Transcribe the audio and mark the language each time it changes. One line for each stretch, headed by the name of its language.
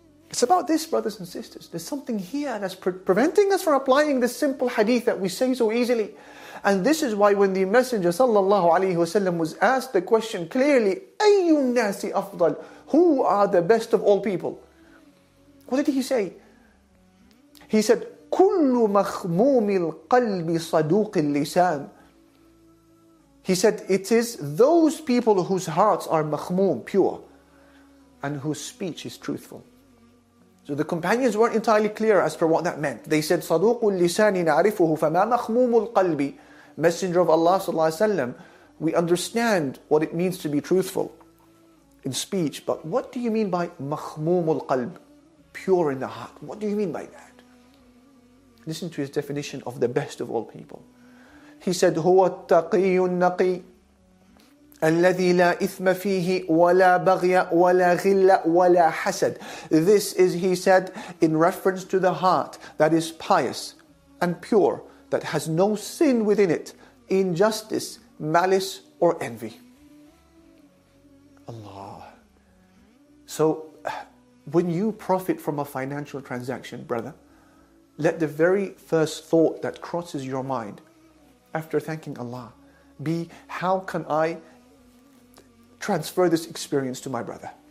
English: It's about this, brothers and sisters. There's something here that's preventing us from applying this simple hadith that we say so easily. And this is why when the Messenger sallallahu alayhi wasallam was asked the question clearly,
Arabic: أَيُّ النَّاسِ أَفْضَلُ,
English: who are the best of all people? What did he say? He said,
Arabic: كل مخموم القلب صدوق اللسان.
English: He said, it is those people whose hearts are مخموم, pure, and whose speech is truthful. So the companions weren't entirely clear as per what that meant.
Arabic: They said, صدوق اللسان نعرفه فما مخموم القلب.
English: Messenger of Allah sallallahu alayhi wa sallam, we understand what it means to be truthful in speech, but what do you mean by
Arabic: مخموم القلب,
English: pure in the heart? What do you mean by that? Listen to his definition of the best of all people. He said,
Arabic: هُوَ التَّقِيُّ النَّقِيُّ الَّذِي لَا إِثْمَ فِيهِ وَلَا بَغْيَ وَلَا غِلَّ وَلَا حَسَدٍ.
English: This is, he said, in reference to the heart that is pious and pure, that has no sin within it, injustice, malice, or envy. Allah. So, when you profit from a financial transaction, brother, let the very first thought that crosses your mind after thanking Allah be, how can I transfer this experience to my brother?